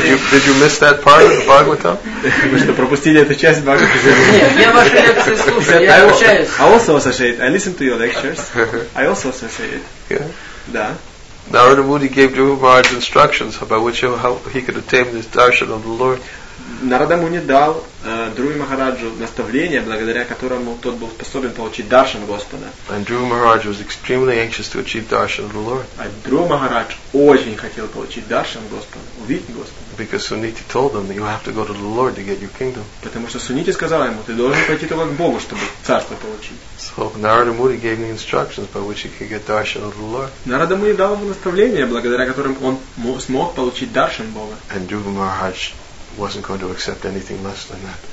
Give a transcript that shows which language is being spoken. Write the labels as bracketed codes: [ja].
[en] Did you miss that part of the Bhagavatam? [ru] Вы что, пропустили эту часть Бхагаватам? Нет, я ваши лекции слушаю, я общаюсь. [en] I also associate. I listen to your lectures. I also associate. Да. Narada Muni gave Dhruva Maharaj instructions by which how he could attain this darshan of the Lord. [ru] Narada Muni дал Dhruva Maharaju наставление, благодаря которому тот был способен получить даршан Господа. [en] And Dhruva Maharaj was extremely anxious to achieve darshan of the Lord. [ru] А Dhruva Maharaj очень хотел получить даршан Господа, увидеть Господа. [en] Because Suniti told him that you have to go to the Lord to get your kingdom. [ru] Потому что Сунити сказал ему, ты должен пойти только к Богу, чтобы царство получить. [en] So Narada Muni gave him instructions by which he could get darshan of the Lord. [ru] Narada Muni дал ему наставление, благодаря которым он смог получить даршан Бога. [en] And Dhruva Maharaj wasn't going to accept anything less than that.